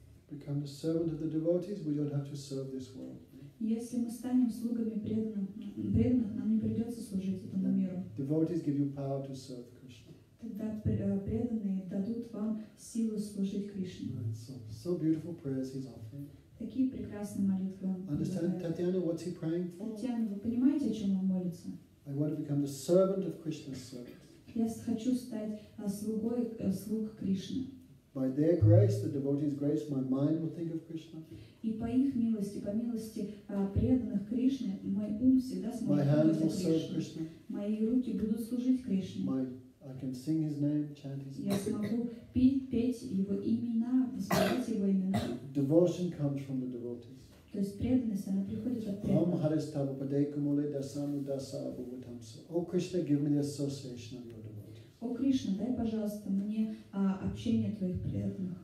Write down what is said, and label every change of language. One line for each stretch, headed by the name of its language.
English: Become a servant of the devotees, we don't have to serve this world.
Russian: Если мы станем слугами преданных, нам не придется служить этому миру.
English: Devotees give you power to serve Krishna.
Russian: Тогда преданные дадут вам силу служить Кришне.
English: So beautiful prayers he's offering.
Russian: Такие прекрасные молитвы.
English: Understand, Татьяна, what's he praying for?
Russian: Татьяна, вы понимаете, о чем он молится?
English: I want to become the servant of Krishna's servant.
Russian: Я хочу стать слугой слуг Кришны.
English: By their grace, the devotee's grace, my mind will think of Krishna.
Russian: И по их милости, по милости преданных Кришне, мой ум всегда сможет думать о Кришне. Мои руки будут служить Кришне.
English: I can sing his name, chant his name.
Russian: Я смогу петь его имена, воспевать его имена.
English: Devotion comes from the devotees.
Russian: То есть преданность, она приходит от преданных.
Sanskrit: Ом харистава падекумуле дасану даса абхутамса.
English: О Кришна, give me the association of your devotees.
Russian: О Кришна, дай, пожалуйста, мне общение твоих преданных.